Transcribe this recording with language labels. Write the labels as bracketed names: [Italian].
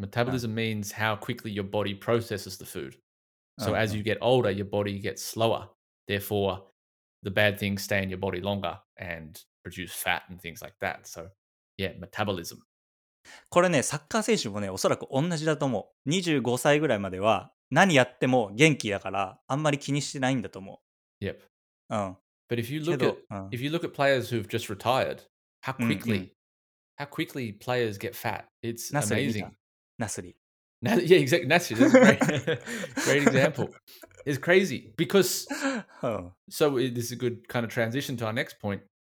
[English] Metabolism means how quickly your body processes the food. So as you get older, your body gets slower. Therefore, the bad things stay in your body longer and produce fat and things like that. So, yeah, metabolism. [Japanese] これね、サッカー選手もね、おそらく同じだと思う。25歳ぐらいまでは何やっても元気だから、あんまり気にしてないんだと思う。 [English] Yep. But if you look at players who've just retired, how quickly players get fat. It's amazing. Yeah, exactly. Nasri, that's a great example. It's crazy because, so this is a good kind of transition to our next point.